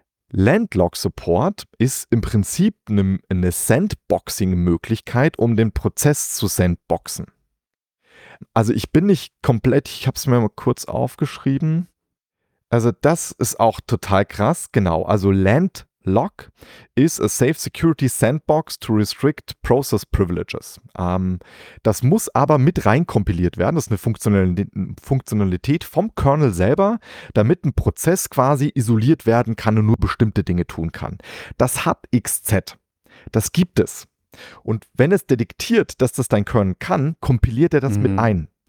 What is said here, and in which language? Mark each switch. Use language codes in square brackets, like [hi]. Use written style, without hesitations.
[de] Landlock Support ist im Prinzip eine Sandboxing-Möglichkeit, um den Prozess zu sandboxen. Also ich bin nicht komplett, ich habe es mir mal kurz aufgeschrieben. Also das ist auch total krass. Genau, also Land [en] Lock is a safe security sandbox to restrict process privileges. [de] Das muss aber mit reinkompiliert werden. Das ist eine Funktionalität vom Kernel selber, damit ein Prozess quasi isoliert werden kann und nur bestimmte Dinge tun kann. Das hat XZ. Das gibt es. Und wenn es detektiert, dass das dein Kernel kann, kompiliert er das mit ein.